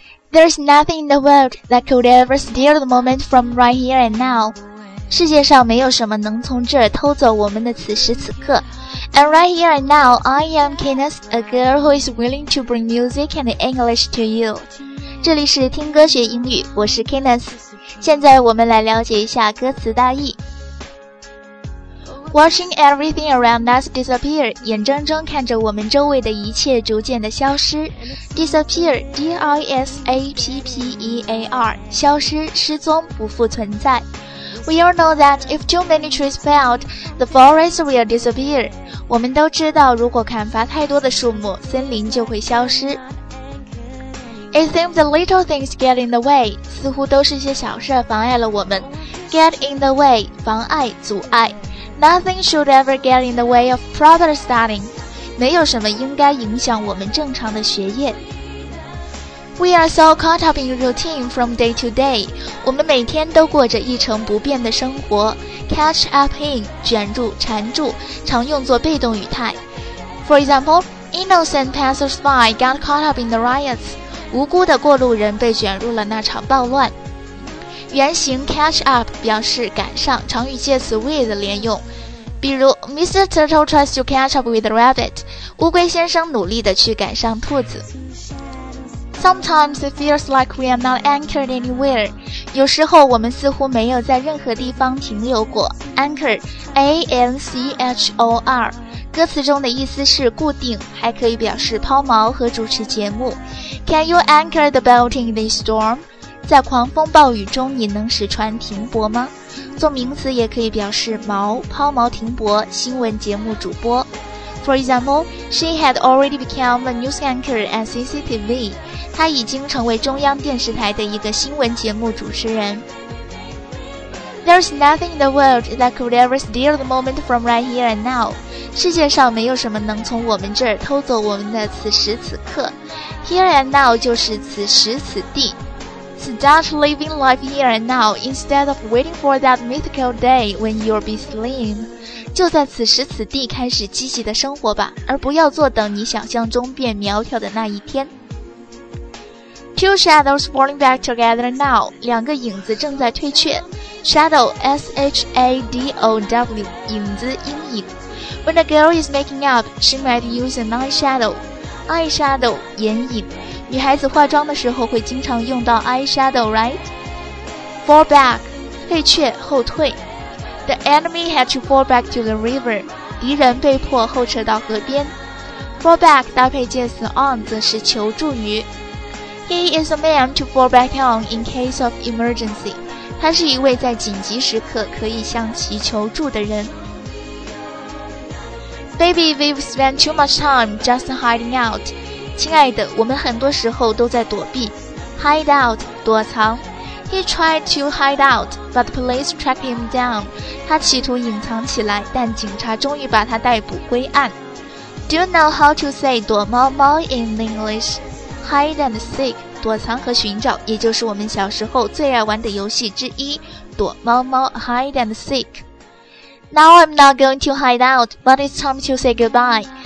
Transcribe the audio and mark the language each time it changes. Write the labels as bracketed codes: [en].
[en] There's nothing in the world that could ever steal the moment from right here and now. [zh] 世界上没有什么能从这儿偷走我们的此时此刻。 [en] And right here and now, I am Kenneth, a girl who is willing to bring music and English to you. [zh] 这里是听歌学英语，我是 Kenneth。现在我们来了解一下歌词大意。 [en] Watching everything around us disappear, [zh] 眼睁睁看着我们周围的一切逐渐的消失。 Disappear, D-I-S-A-P-P-E-A-R, 消失、失踪、不复存在。 [en] We all know that if too many trees fell, the forest will disappear. [zh] 我们都知道如果砍伐太多的树木，森林就会消失。 [en] It seems the little things get in the way, [zh] 似乎都是些小事妨碍了我们。 Get in the way, 妨碍、阻碍。 [en] Nothing should ever get in the way of proper studying. [zh] 没有什么应该影响我们正常的学业。 [en] We are so caught up in routine from day to day. [zh] 我们每天都过着一成不变的生活。 Catch up in, 卷入、缠住，常用作被动语态。 [en] For example, innocent passersby got caught up in the riots. [zh] 无辜的过路人被卷入了那场暴乱。原型 catch up 表示赶上，常与介词 with 连用，比如 Mr. [en] Turtle tries to catch up with the rabbit， [zh] 乌龟先生努力地去赶上兔子。 [en] Sometimes it feels like we are not anchored anywhere， [zh] 有时候我们似乎没有在任何地方停留过。 Anchor， A-N-C-H-O-R， 歌词中的意思是固定，还可以表示抛锚和主持节目。 [en] Can you anchor the boat in this storm？ [zh] 在狂风暴雨中你能使船停泊吗？做名词也可以表示锚、抛锚、停泊、新闻节目主播。 [en] For example, she had already become a news anchor at CCTV. [zh] 她已经成为中央电视台的一个新闻节目主持人。 [en] There's nothing in the world that could ever steal the moment from right here and now. [zh] 世界上没有什么能从我们这儿偷走我们的此时此刻。 Here and now 就是此时此地。 [en] Start living life here and now instead of waiting for that mythical day when you'll be slim. [zh] 就在此时此地开始积极的生活吧，而不要坐等你想象中变苗条的那一天。 [en] Two shadows falling back together now. [zh] 两个影子正在退却。 Shadow, S-H-A-D-O-W, 影子、阴影。 [en] When a girl is making up, she might use an eyeshadow. Eyeshadow, 眼影。 [zh] 女孩子化妆的时候会经常用到 eyeshadow, right? Fall back, 退却、后退。 [en] The enemy had to fall back to the river. [zh] 敌人被迫后撤到河边。Fall back 搭配介词 on 则是求助于。 [en] He is a man to fall back on in case of emergency. [zh] 他是一位在紧急时刻可以向其求助的人。 [en] Baby, we've spent too much time just hiding out. [zh] 亲爱的，我们很多时候都在躲避。 Hide out, 躲藏。 [en] He tried to hide out, but police tracked him down. [zh] 他企图隐藏起来，但警察终于把他逮捕归案。 [en] Do you know how to say 躲猫猫 in English? [zh] Hide and seek, 躲藏和寻找，也就是我们小时候最爱玩的游戏之一，躲猫猫 hide and seek. [en] Now I'm not going to hide out, but it's time to say goodbye.